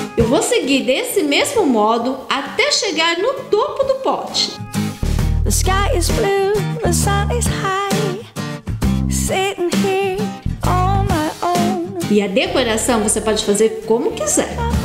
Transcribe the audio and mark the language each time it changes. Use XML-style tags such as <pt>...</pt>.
<pt>vou seguir desse mesmo modo até chegar no topo do pote.</pt> <en>The sky is blue, the sun is high, sitting here on my own.</en> <pt>E a decoração você pode fazer como quiser.</pt>